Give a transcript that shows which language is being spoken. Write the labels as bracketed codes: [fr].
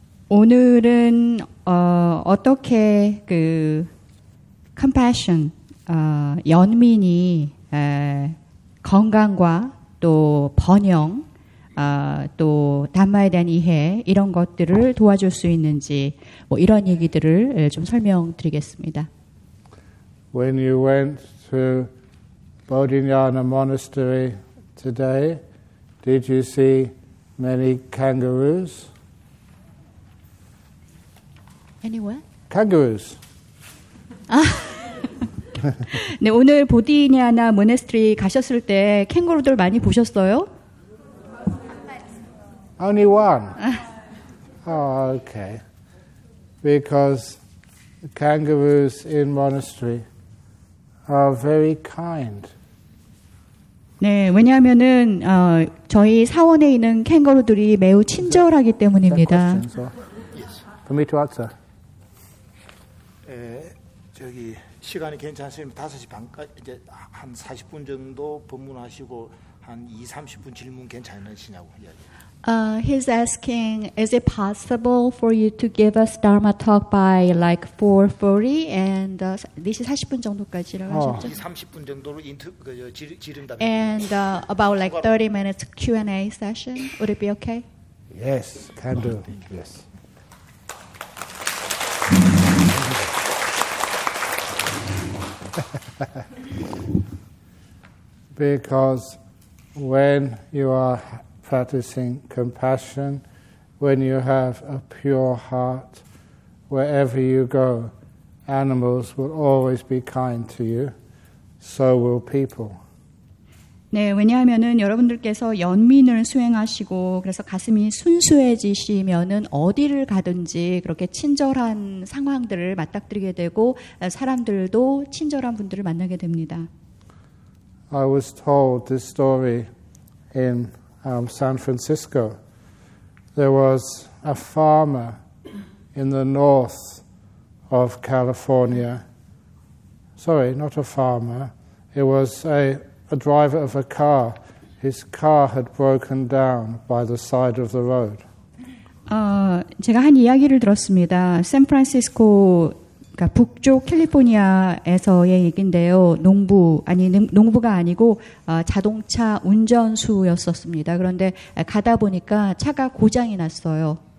[ko] 오늘은 어떻게 그 compassion, 연민이 건강과 또 번영, 또 담마에 대한 이해 이런 것들을 도와줄 수 있는지 뭐 이런 얘기들을 좀 설명드리겠습니다. [en] When you went to Bodhinyana Monastery today, did you see many kangaroos? Anywhere? Kangaroos. [ko] 네, 오늘 보디냐나 모네스트리 가셨을 때 캥거루들 많이 보셨어요? [en] Only one. Oh, okay. Because kangaroos in monastery are very kind. [ko] 네, 왜냐하면은 저희 사원에 있는 캥거루들이 매우 친절하기 때문입니다. [en] For me to answer. [ko] 저기 시간이 괜찮으시면 5시 반까지 이제 한 40분 정도 법문하시고 한 2, 30분 질문 괜찮으시냐고 이야기. [en] He's asking, is it possible for you to give us Dharma talk by like 4:40 and [ko] 4시 40분 정도까지라고 하셨죠? 2, 30분 정도로 지른다. [en] And about like 30 minutes Q&A session, would it be okay? Yes, can do. Yes. Because when you are practicing compassion, when you have a pure heart, wherever you go, animals will always be kind to you. So will people. [ko] 네, 왜냐하면은 여러분들께서 연민을 수행하시고 그래서 가슴이 순수해지시면은 어디를 가든지 그렇게 친절한 상황들을 맞닥뜨리게 되고 사람들도 친절한 분들을 만나게 됩니다. [en] I was told this story in San Francisco. There was a farmer in the north of California. Sorry, not a farmer. It was a driver of a car. His car had broken down by the side of the road. [ko] 제가 한 이야기를 들었습니다. 샌프란시스코 그러니까 북쪽 캘리포니아에서의 얘긴데요. 농부 아니 농부가 아니고 자동차 운전수였었습니다. 그런데 가다 보니까 차가 고장이 났어요.